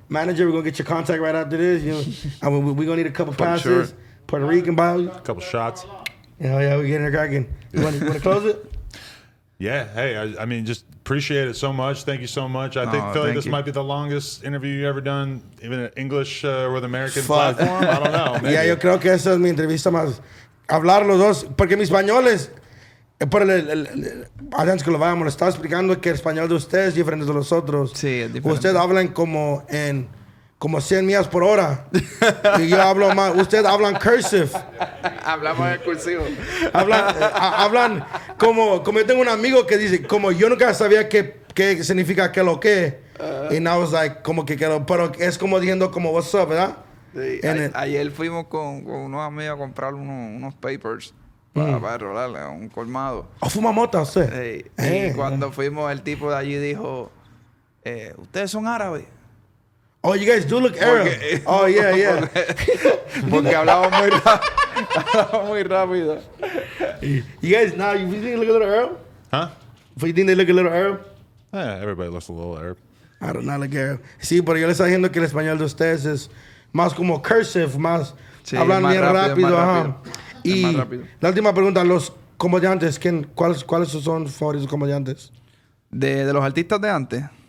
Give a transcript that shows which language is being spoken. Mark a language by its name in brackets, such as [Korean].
[English] Manager, we're going to get your contact right after this. You know, we're going to need a couple passes. Sure. Puerto Rican, Bobby. A couple shots. Yeah, we're getting it cracking. You want to close it? Yeah, hey, I mean, just appreciate it so much. Thank you so much. I feel like this might be the longest interview you've ever done, even in English or with American platform. I don't know. [Spanish] Yeah, yo creo que esa es mi entrevista más. Hablar los dos, porque mis españoles... Por el antes que lo vayamos, le estaba explicando que el español de ustedes es diferente de los otros. Sí, es diferente. Ustedes hablan como 100 millas por hora. Y yo hablo más. Ustedes hablan cursive. Hablamos en cursivo. Hablan como yo tengo un amigo que dice, como yo nunca sabía qué significa qué lo que. [English] And I was like, [Spanish] como que quedó. Pero es como diciendo, como, [English] what's up, [Spanish] ¿verdad? Sí. Ayer fuimos con unos amigos a comprar unos papers. Para rolarle a un colmado. ¿O fuma mota usted? Sí. Y cuando fuimos, el tipo de allí dijo, ¿ustedes son árabes? [English] Oh, you guys do look Arab. Oh, yeah, yeah. Porque hablamos muy rápido. You guys, now, you think they look a little Arab? Huh? You think they look a little Arab? Yeah, everybody looks a little Arab. I don't know, like Arab. [Spanish] Sí, pero yo le estaba diciendo que el español de ustedes es más como cursive, más... Sí, hablan más bien rápido. Más rápido. Y la última pregunta, los comediantes, ¿cuáles son sus favoritos comediantes? ¿De los artistas de antes?